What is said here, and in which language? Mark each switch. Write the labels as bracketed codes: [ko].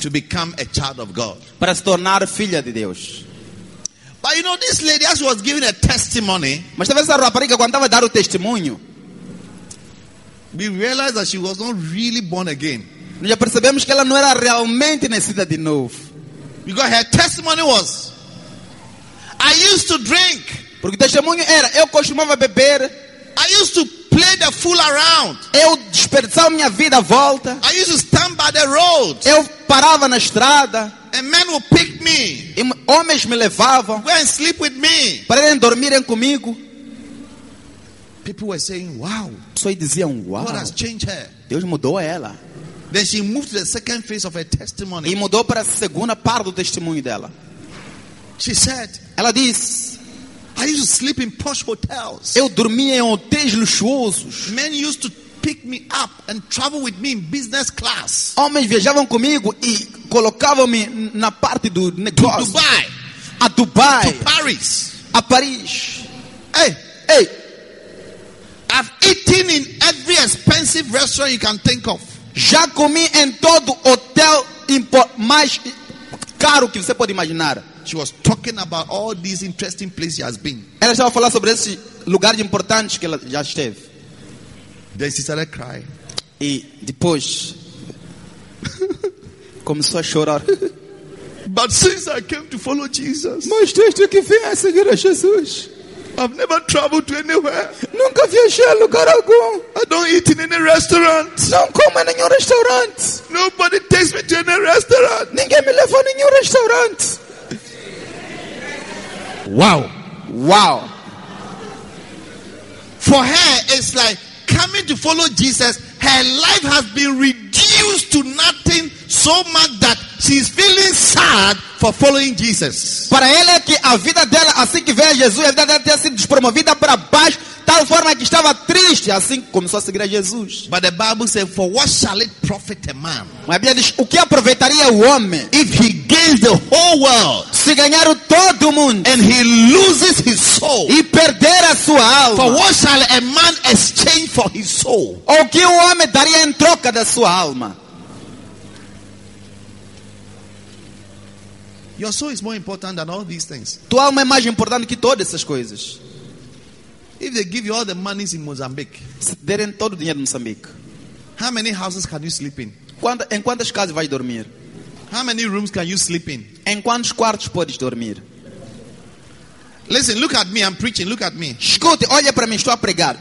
[en] To become a child of God. [pt] Para se tornar filha de Deus. [en] But you know, this lady, as she was giving a testimony, [pt] mas essa rapariga, quando estava a dar o testemunho, [en] we realized that she was not really born again. [pt] Nós já percebemos que ela não era realmente nascida de novo. [en] Because her testimony was, I used to drink. [pt] Porque o testemunho era, eu costumava beber. [en] I used to play the fool around. [pt] Eu desperdiçava minha vida à volta. [en] I used to stand by the road. [pt] Eu parava na estrada. [en] And men would pick me. [pt] E homens me levavam. [en] Go and sleep with me. [pt] Para eles dormirem comigo. [en] People were saying, wow. [pt] Só diziam, wow. [en] God has changed her. [pt] Deus mudou ela. [en] Then she moved to the second phase of her testimony. [pt] E mudou para a segunda parte do testemunho dela. [en] She said, [pt] ela disse, [en] I used to sleep in posh hotels. [pt] Eu dormia em hotéis luxuosos. [en] Men used to pick me up and travel with me in business class. [pt] Homens viajavam comigo e colocavam-me na parte do negócio. [en] To Dubai. [pt] A Dubai. [en] To Paris. [pt] A Paris. Hey, hey. [en] I've eaten in every expensive restaurant you can think of. [pt] Já comi em todo hotel mais caro que você pode imaginar. [en] She was talking about all these interesting places she has been. [pt] Ela estava a falar sobre esses lugares importantes que ela já esteve. [en] Then she started crying. [pt] E depois começou a chorar. [en] But since I came to follow Jesus. [pt] Mas desde que vim a seguir a Jesus. [en] I've never traveled to anywhere. [pt] Nunca viajei a lugar algum. [en] I don't eat in any restaurant. [pt] Não como em nenhum restaurante. [en] Nobody takes me to any restaurant. [pt] Ninguém me leva a nenhum restaurante. Wow. Wow. [en] For her, it's like coming to follow Jesus, her life has been reduced to nothing so much that she's feeling sad for following Jesus. [pt] Para ela, que a vida dela, assim que veio a Jesus, a vida dela tinha sido despromovida para baixo, tal forma que estava triste, assim que começou a seguir a Jesus. [en] But the Bible says, for what shall it profit a man? [pt] A Bíblia diz, o que aproveitaria o homem? [en] If he gains the whole world. [pt] Se ganhar todo o mundo. [en] And he loses his soul. [pt] E perder a sua alma. [en] For what shall a man exchange for his soul? [pt] O que o homem daria em troca da sua alma? [en] Your soul is more important than all these things. [pt] Tua alma é mais importante que todas essas coisas. [en] If they give you all the monies in Mozambique, [pt] derem todo o dinheiro em Moçambique, [en] how many houses can you sleep in? [pt] Em quantas casas vais dormir? [en] How many rooms can you sleep in? [pt] Em quantos quartos podes dormir? [en] Listen, look at me, I'm preaching, look at me. [pt] Escute, olha para mim, estou a pregar.